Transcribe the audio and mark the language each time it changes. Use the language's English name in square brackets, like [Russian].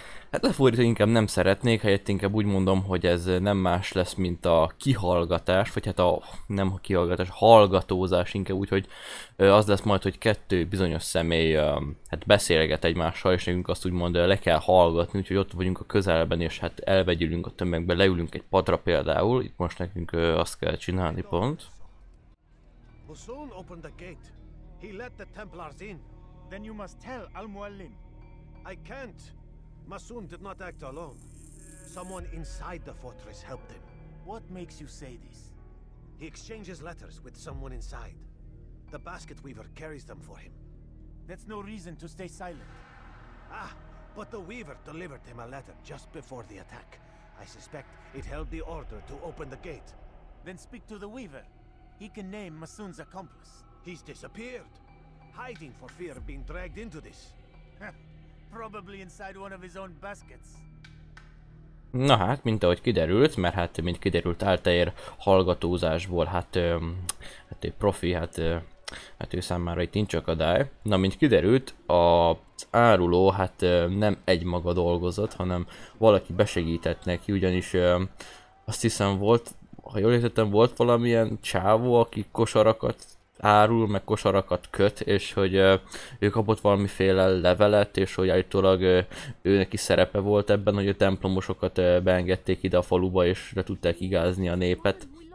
[Hungarian] hát lefordítva inkább nem szeretnék, helyett inkább úgy mondom, hogy ez nem más lesz, mint a kihallgatás, vagy hát a nem a kihallgatás, hallgatózás inkább, úgyhogy az lesz majd, hogy kettő bizonyos személy hát beszélget egymással, és nekünk azt úgymond le kell hallgatni, úgyhogy ott vagyunk a közelben, és hát elvegyülünk a tömegbe, leülünk egy padra például, itt most nekünk azt kell csinálni, pont. [English] Bosun opened the gate. He let the Templars in. Then you must tell Al-Muallim. I can't. Masun did not act alone. Someone inside the fortress helped him. What makes you say this? He exchanges letters with someone inside. The basket weaver carries them for him. That's no reason to stay silent. Ah, but the weaver delivered him a letter just before the attack. I suspect it held the order to open the gate. Then speak to the weaver. He can name Masun's accomplice. He's disappeared. Hiding for fear of being dragged into this. Probably inside one of his own baskets. [Hungarian] Na hát, mint ahogy kiderült, mert hát mint kiderült Altair hallgatózásból, hát egy profi, hát ő számára itt nincs akadály. Na, mint kiderült, az áruló hát nem egymaga dolgozott, hanem valaki besegített neki, ugyanis azt hiszem volt, ha jól értettem, volt valamilyen csávó, aki kosarakat árul, meg kosarakat köt, és hogy ő kapott valamiféle levelet, és hogy állítólag őnek is szerepe volt ebben, hogy a templomosokat beengedték ide a faluba, és le tudták igázni a népet.